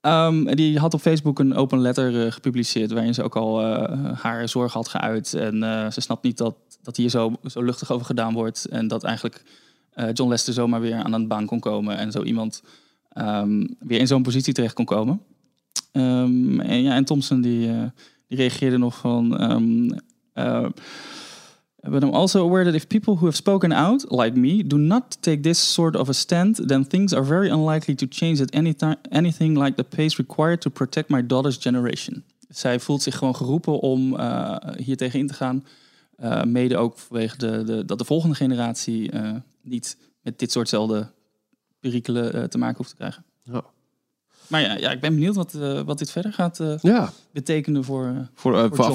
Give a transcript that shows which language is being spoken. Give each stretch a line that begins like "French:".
Dutch: Die had op Facebook een open letter gepubliceerd waarin ze ook al haar zorgen had geuit. En ze snapt niet dat hier zo luchtig over gedaan wordt en dat eigenlijk John Lester zomaar weer aan een baan kon komen en zo iemand weer in zo'n positie terecht kon komen. En Thompson die reageerde nog van
English: but I'm also aware that if people who have spoken out, like me, do not take this sort of a stand, then things are very unlikely to change at anything like the pace required to protect my daughter's generation.
Dutch: Zij voelt zich gewoon geroepen om hier tegen in te gaan. Mede ook vanwege dat de volgende generatie niet met dit soortzelfde perikelen te maken hoeft te krijgen. Ja. Maar ja, ik ben benieuwd wat dit verder gaat betekenen voor